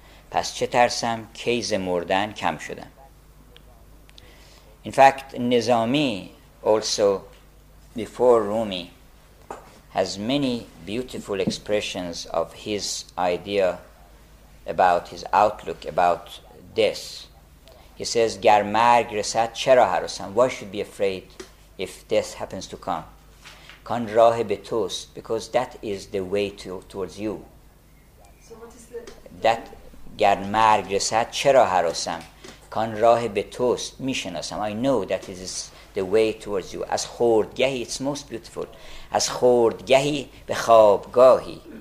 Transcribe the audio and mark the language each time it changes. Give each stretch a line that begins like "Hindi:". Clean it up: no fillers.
Persian: پس چه ترسم کیز مردن کم شدم.
English: In fact, Nizami also before Rumi has many beautiful expressions of his idea about his outlook about death. He says,
Persian: گر مرگ رسد چرا هراسم.
English: Why should be afraid if death happens to come?
Persian: کان راه به توست.
English: Because that is the way towards you.
Persian: That گر مرگ رسد چرا هراسم کان راه به توست میشناسم.
English: I know that it is the way towards you.
Persian: از خوردگهی,
English: it's most beautiful,
Persian: از خوردگهی به خوابگاهی,